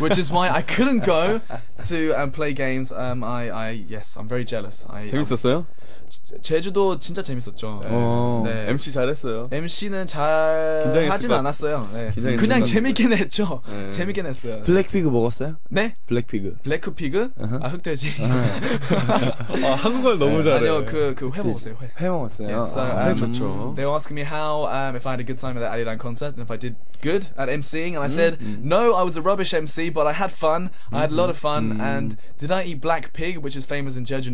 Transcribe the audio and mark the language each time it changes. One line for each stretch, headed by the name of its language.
English: Which is why I couldn't go to play games I yes I'm very jealous I,
Korean: 재밌었어요? 제주도 진짜 재밌었죠 네. 네. MC 잘했어요 MC는 잘 하진 않았어요 네. 그냥 재밌게 냈죠 네. 재밌게 냈어요 블랙피그 먹었어요? 네?
English: 블랙피그 블랙피그? Uh-huh.
Korean: 아 흑돼지 아 한국말 너무 잘해 아니요 그 회 먹었어요 회 회 먹었어요
English: yeah, so,
Korean: 회 좋죠
English: They were asking me how if I had a good time at that Arirang concert and if I did good at MCing and I said no I was a rubbish MC but I had fun I had a lot of fun and did I eat black pig which is famous in Jeju?